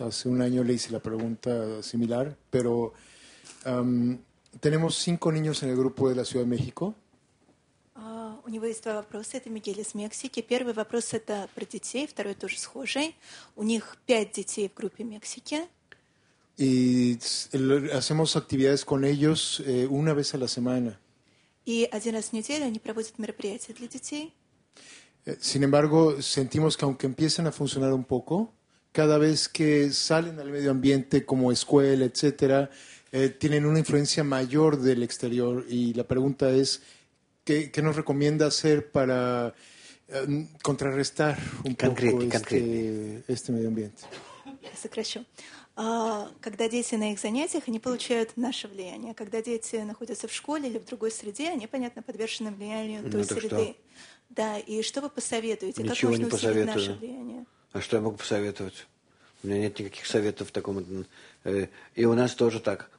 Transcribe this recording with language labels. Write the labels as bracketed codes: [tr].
[es] Hace un año le hice la pregunta similar, pero tenemos 5 niños en el grupo de la Ciudad de México. [ru] У него есть 2 вопроса. Это Мигель из Мексики. Первый вопрос – это про детей. Второй тоже схожий. У них 5 детей в группе Мексики. [es] Y hacemos actividades con ellos una vez a la semana. [ru] И один раз в неделю они проводят мероприятия для детей. [es] Sin embargo, sentimos que aunque empiecen a funcionar un poco, cada vez que salen al medio ambiente como escuela, etc., tienen una influencia mayor del exterior. Y la pregunta es, ¿qué nos recomienda hacer para contrarrestar un concrete, poco este medio ambiente? [ru] Сокращу. Когда дети на их занятиях, они получают наше влияние. Когда дети находятся в школе или в другой среде, они, понятно, подвержены влиянию той среды. Да, и что вы посоветуете? Ничего не посоветую. Как можно усилить наше влияние? А что я могу посоветовать? У меня нет никаких советов в таком... И у нас тоже так.